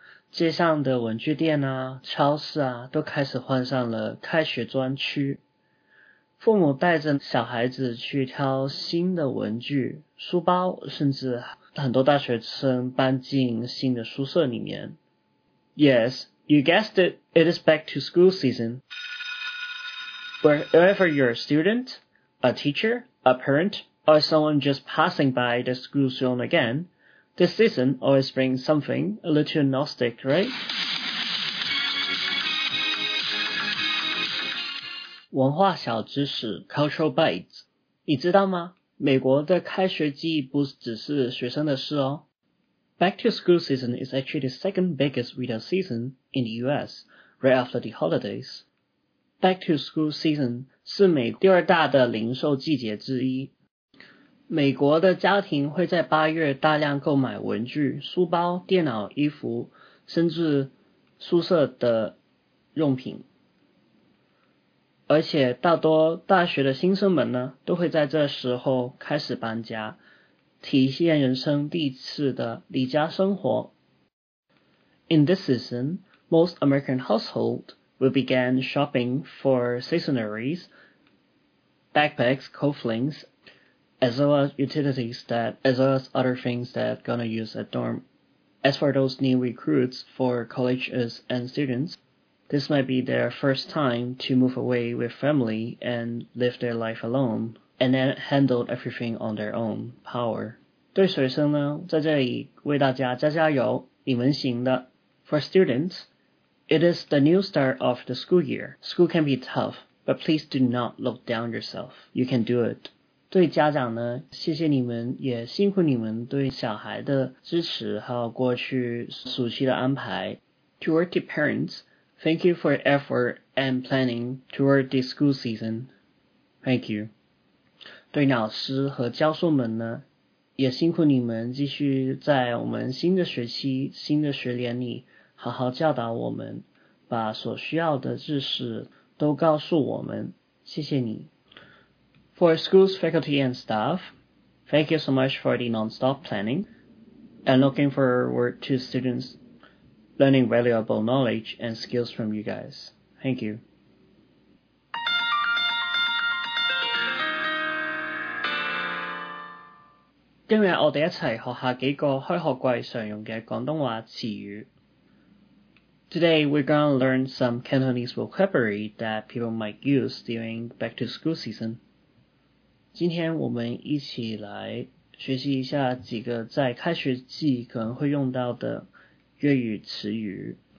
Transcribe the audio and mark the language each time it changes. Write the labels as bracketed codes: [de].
[zh] 街上的文具店啊、超市啊，都开始换上了开学专区。父母带着小孩子去挑新的文具、书包，甚至很多大学生搬进新的宿舍里面。 [en] Yes, you guessed it, it is back to school season. Wherever you're a student, a teacher, a parent, or someone just passing by the school zone again,This season always brings something a little nostalgic, right? [zh] 文化小知识 [en] Cultural Bites [zh] 你知道吗？美国的开学季不只是学生的事哦。 [en] Back to school season is actually the second biggest retail season in the US, right after the holidays. Back to school season [zh] 是美第二大的零售季节之一。美国的家庭会在八月大量购买文具、书包、电脑、衣服，甚至宿舍的用品。而且大多大学的新生们呢，都会在这时候开始搬家，体验人生第一次的离家生活。 [en] In this season, most American households will begin shopping for seasonaries, backpacks, coatlinks,as well as utilities that, as well as other things that gonna use at dorm. As for those new recruits for colleges and students, this might be their first time to move away with family and live their life alone, and then handle everything on their own power. [zh] 对学生呢，在这里为大家加加油，你们行的。 [en] For students, it is the new start of the school year. School can be tough, but please do not look down yourself. You can do it. [zh] 对家长呢，谢谢你们，也辛苦你们对小孩的支持，还有过去暑期的安排。 [en] Toward the parents, thank you for your effort and planning toward the school season. Thank you. [zh] 对老师和教授们呢，也辛苦你们继续在我们新的学期、新的学年里好好教导我们，把所需要的知识都告诉我们。谢谢你。 [en] For school's faculty and staff, thank you so much for the non-stop planning and looking forward to students learning valuable knowledge and skills from you guys. Thank you. Today, we're going to learn some of the common Cantonese words for the opening of the school year. Today, we're going to learn some Cantonese vocabulary that people might use during back to school season. [zh] 今天我们一起来学习一下几个在开学季可能会用到的粤语词语。